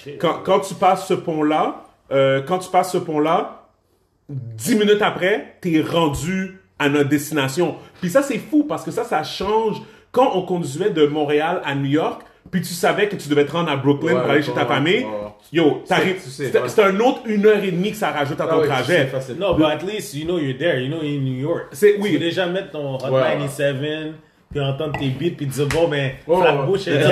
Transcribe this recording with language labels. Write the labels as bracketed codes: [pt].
[fr] Quand tu passes ce pont-là, dix minutes après, t'es rendu à notre destination. Puis ça, c'est fou, parce que ça change. Quand on conduisait de Montréal à New York, puis tu savais que tu devais te rendre à Brooklyn pour aller chez ta famille. Yo, t'arrives. C'est un autre une heure et demie que ça rajoute à ton trajet. [en] Non, but at least you know you're there. You know in New York. [fr] C'est oui. Tu peux déjà mettre ton Hot 97, puis entendre tes beats, puis dire bon ben, Flatbush.